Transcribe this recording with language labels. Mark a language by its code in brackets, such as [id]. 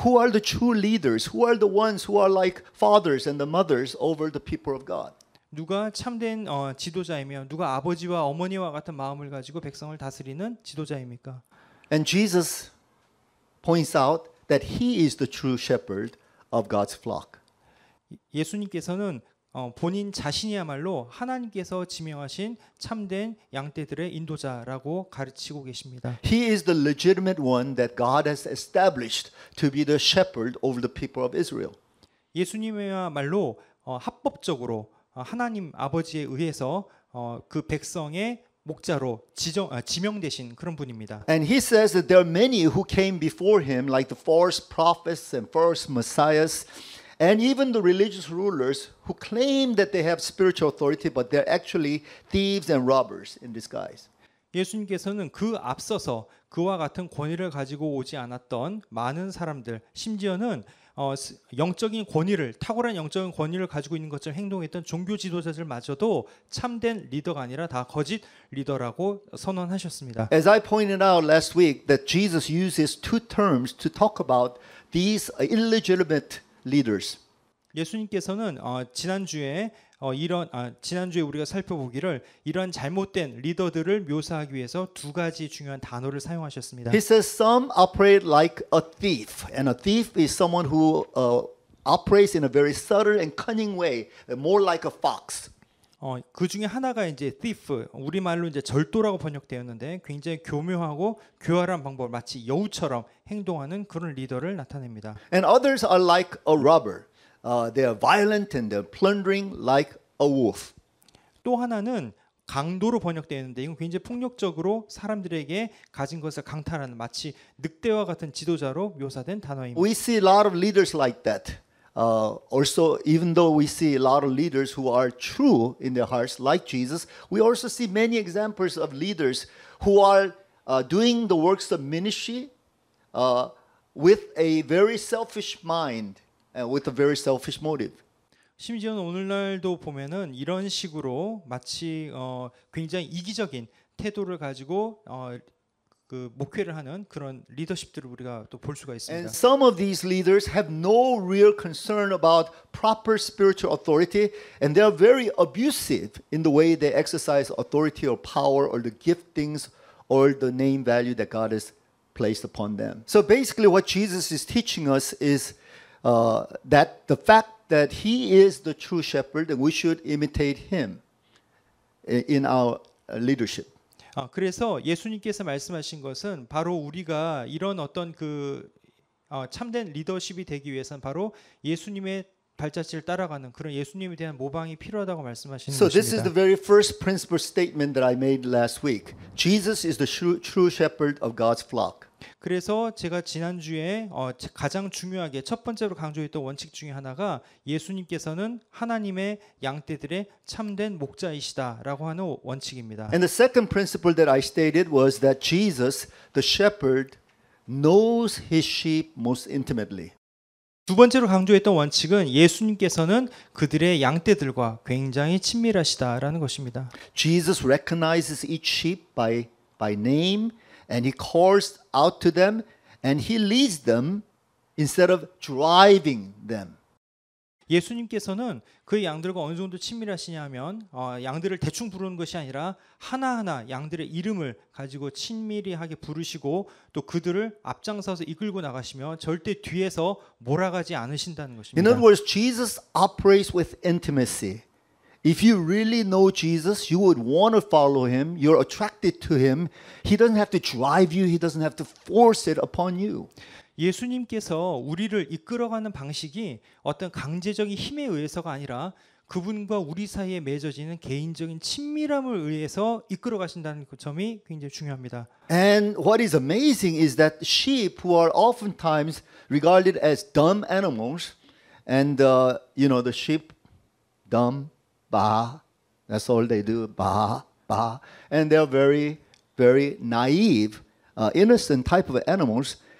[en] Who are the true leaders? Who are the ones who are like fathers and the mothers over the people of God? [ko] 누가 참된 지도자이며 누가 아버지와 어머니와 같은 마음을 가지고 백성을 다스리는 지도자입니까? [en] And Jesus points out that he is the true shepherd of God's flock. [ko] 예수님께서는 본인 자신이야말로 하나님께서 지명하신 참된 양떼들의 인도자라고 가르치고 계십니다. [en] He is the legitimate one that God has established to be the shepherd over the people of Israel. [ko] 예수님이야말로 합법적으로 하나님 아버지에 의해서 그 백성의 목자로 지명되신 그런 분입니다. [en] And he says that there are many who came before him like the false prophets and false messiahs and even the religious rulers who claim that they have spiritual authority but they're actually thieves and robbers in disguise. [ko] 예수님께서는 그 앞서서 그와 같은 권위를 가지고 오지 않았던 많은 사람들 심지어는 영적인 권위를 탁월한 영적인 권위를 가지고 있는 것처럼 행동했던 종교 지도자들마저도 참된 리더가 아니라 다 거짓 리더라고 선언하셨습니다. [en] As I pointed out last week that Jesus uses two terms to talk about these illegitimate leaders. [ko] 예수님께서는 지난주에 이런 지난주에 우리가 살펴보기를 이런 잘못된 리더들을 묘사하기 위해서 두 가지 중요한 단어를 사용하셨습니다. [en] He says some operate like a thief, and a thief is someone who operates in a very subtle and cunning way, more like a fox. [ko] 그 중에 하나가 이제 thief, 우리말로 이제 절도라고 번역되었는데 굉장히 교묘하고 교활한 방법, 마치 여우처럼 행동하는 그런 리더를 나타냅니다. [en] And others are like a robber. They are violent and they're plundering like a wolf. [ko] 또 하나는 강도로 번역되었는데 이건 굉장히 폭력적으로 사람들에게 가진 것을 강탈하는 마치 늑대와 같은 지도자로 묘사된 단어입니다. [en] We see a lot of leaders like that. Also, even though we see a lot of leaders who are true in their hearts, like Jesus, we also see many examples of leaders who are doing the works of ministry with a very selfish mind and with a very selfish motive. [ko] 심지어는 오늘날도 보면은 이런 식으로 마치 굉장히 이기적인 태도를 가지고 그 목회를 하는 그런 리더십들을 우리가 또 볼 수가 있습니다. [en] And some of these leaders have no real concern about proper spiritual authority and they are very abusive in the way they exercise authority or power or the giftings or the name value that God has placed upon them. So basically what Jesus is teaching us is that the fact that he is the true shepherd and we should imitate him in our leadership. [ko] 그래서 예수님께서 말씀하신 것은 바로 우리가 이런 어떤 그 참된 리더십이 되기 위해서는 바로 예수님의 발자취를 따라가는 그런 예수님에 대한 모방이 필요하다고 말씀하시는 [en] so [ko] 것입니다. [en] So this is the very first principle statement that I made last week. Jesus is the true shepherd of God's flock. [ko] 그래서 제가 지난주에 가장 중요하게 첫 번째로 강조했던 원칙 중에 하나가 예수님께서는 하나님의 양떼들의 참된 목자이시다라고 하는 원칙입니다. [en] And the second principle that I stated was that Jesus, the shepherd, knows his sheep most intimately. [ko] 두 번째로 강조했던 원칙은 예수님께서는 그들의 양떼들과 굉장히 친밀하시다라는 것입니다. [en] Jesus recognizes each sheep by name. And he calls out to them, and he leads them instead of driving them. [ko] 예수님께서는 그 양들과 어느 정도 친밀하시냐면 양들을 대충 부르는 것이 아니라 하나하나 양들의 이름을 가지고 친밀히 하게 부르시고 또 그들을 앞장서서 이끌고 나가시며 절대 뒤에서 몰아가지 않으신다는 것입니다. [en] In other words, Jesus operates with intimacy. If you really know Jesus, you would want to follow him. You're attracted to him. He doesn't have to drive you. He doesn't have to force it upon you. [ko] 예수님께서 우리를 이끌어가는 방식이 어떤 강제적인 힘에 의해서가 아니라 그분과 우리 사이에 맺어지는 개인적인 친밀함을 의해서 이끌어 가신다는 그 점이 굉장히 중요합니다. [en] And what is amazing is that sheep who are oftentimes regarded as dumb animals and you know the sheep dumb Bah, that's all they do. Bah, bah, and they're very, very naive, innocent type of animals.